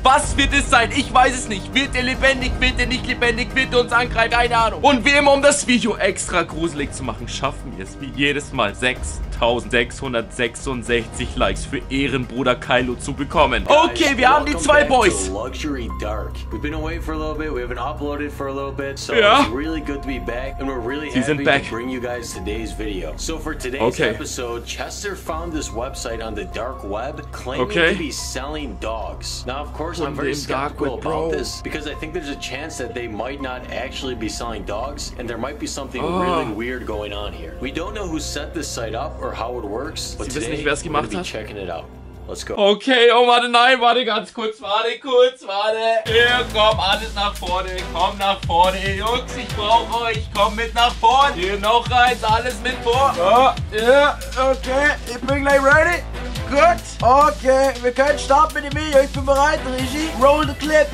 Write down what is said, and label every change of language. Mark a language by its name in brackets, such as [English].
[German] Was wird es sein? Ich weiß es nicht. Wird er lebendig? Wird er nicht lebendig? Wird er uns angreifen? Keine Ahnung. Und wie immer, um das Video extra gruselig zu machen, schaffen wir es wie jedes Mal 6.666 Likes für Ehrenbruder Kylo zu bekommen. Okay, wir haben die zwei Boys. [English] Luxury Dark. We've been away for a little bit. We haven't uploaded for a little bit. So ja. It's really good to be back. And we're really happy back. To bring you guys today's video. So for today's okay. episode, Chester found this website on the dark web claiming okay. to be selling dogs. Now, of course, I'm very skeptical about this because I think there's a chance that they might not actually be selling dogs and there might be something really weird going on here. We don't know who set this site up or how it works, but today we're going to be checking it out. Let's go. [German] Okay, oh, warte, nein, warte, ganz kurz, warte, kurz, warte. Hier, komm, alles nach vorne, komm nach vorne. Jungs, ich brauch euch, komm mit nach vorne. Hier, noch eins, alles mit vor. Ja, okay, ich bin gleich ready. Gut, okay, wir können starten mit dem Video. Ich bin bereit, Regie, [English] roll the clip.